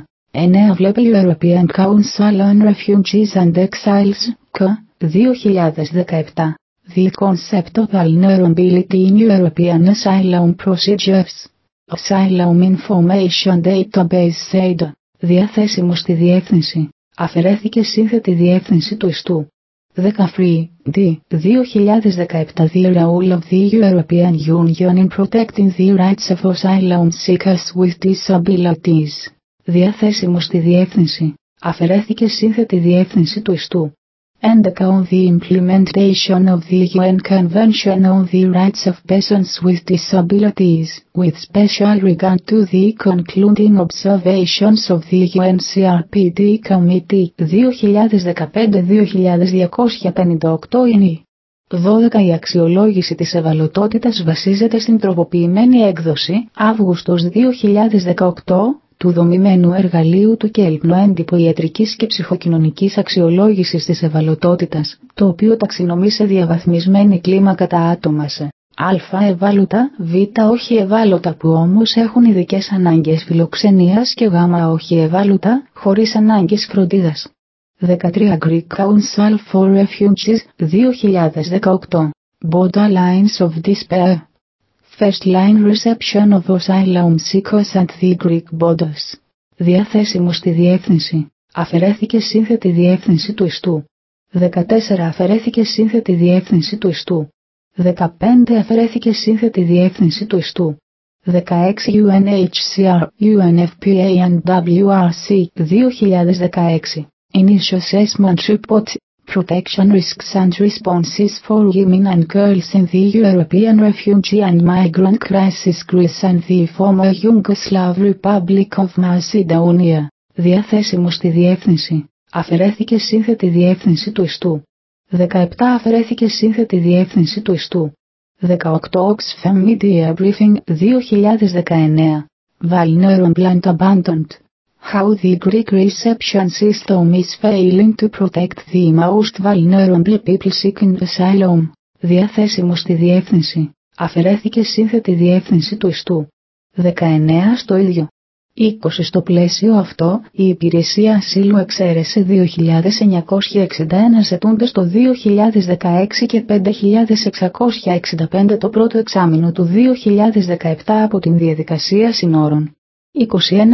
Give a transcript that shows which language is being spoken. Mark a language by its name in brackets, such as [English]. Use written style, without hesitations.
[Greek] 9. Βλέπει η European Council on Refugees and Exiles, K, 2017. [English] The Concept of Vulnerability in European Asylum Procedures. Asylum Information Database SAID. [Greek] Διαθέσιμο στη διεύθυνση. Αφαιρέθηκε σύνθετη διεύθυνση του ιστού. [English] 10. Free, D, 2017. The Role of the European Union in Protecting the Rights of Asylum Seekers with Disabilities. [Greek] Διαθέσιμο στη διεύθυνση. Αφαιρέθηκε σύνθετη διεύθυνση του ιστού. 11. [English] On the implementation of the UN Convention on the Rights of Persons with Disabilities, with special regard to the concluding observations of the UNCRPD Committee 2015-2258 INI. [Greek] 12. Η αξιολόγηση της ευαλωτότητας βασίζεται στην τροποποιημένη έκδοση, Αύγουστος 2018, του δομημένου εργαλείου του Κέλπνο έντυπο ιατρικής και ψυχοκοινωνικής αξιολόγησης της ευαλωτότητας, το οποίο ταξινομεί σε διαβαθμισμένη κλίμακα τα άτομα σε α. Ευάλωτα, β. Όχι ευάλωτα που όμως έχουν ειδικές ανάγκες φιλοξενίας και γ. Όχι ευάλωτα, χωρίς ανάγκες φροντίδας. [English] 13. Greek Council for Refugees, 2018. Border Lines of Despair. First Line Reception of Asylum Seekers at the Greek Borders. [Greek] Διαθέσιμο στη διεύθυνση. Αφαιρέθηκε σύνθετη διεύθυνση του ιστού. 14. Αφαιρέθηκε σύνθετη διεύθυνση του ιστού. 15. Αφαιρέθηκε σύνθετη διεύθυνση του ιστού. [English] 16. UNHCR, UNFPA and WRC, 2016. Initial Assessment Report. Protection Risks and Responses for Women and Girls in the European Refugee and Migrant Crisis Greece and the Former Yugoslav Republic of Macedonia. [Greek] Διαθέσιμο στη διεύθυνση. Αφαιρέθηκε σύνθετη διεύθυνση του ιστού. 17. Αφαιρέθηκε σύνθετη διεύθυνση του ιστού. [English] 18. Oxfam Media Briefing 2019. Vulnerable and Abandoned. How the Greek reception system is failing to protect the most vulnerable people seeking asylum. [Greek] Διαθέσιμο στη διεύθυνση. Αφαιρέθηκε σύνθετη διεύθυνση του ιστού. 19. Στο ίδιο. 20. Στο πλαίσιο αυτό, η Υπηρεσία Ασύλου εξαίρεσε 2.961 ζητούντες το 2016 και 5.665 το πρώτο εξάμηνο του 2017 από την διαδικασία συνόρων. 21.